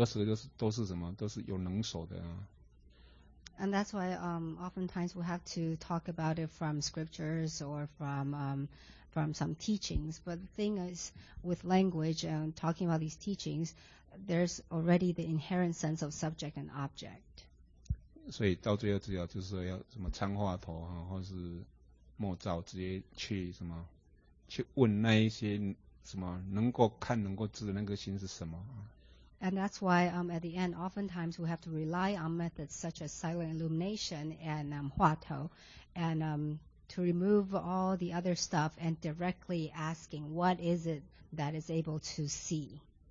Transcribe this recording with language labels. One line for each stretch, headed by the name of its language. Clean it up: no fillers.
Chinese: 所以有时候就要从那个教理去谈，那个教理有时候很多时候都是什么，都是有能所的啊。
English: And that's why oftentimes we have to talk about it from scriptures or from some teachings. But the thing is, with language and talking about these teachings, there's already the inherent sense of subject and object.
Chinese: 所以到最后就是要什么参话头啊，或是末照，直接去什么去问那一些什么能够看能够知的那个心是什么啊。
English: And that's why at the end, oftentimes we have to rely on methods such as silent illumination and huatou, and to remove all the other stuff and directly asking what is it that is able to see.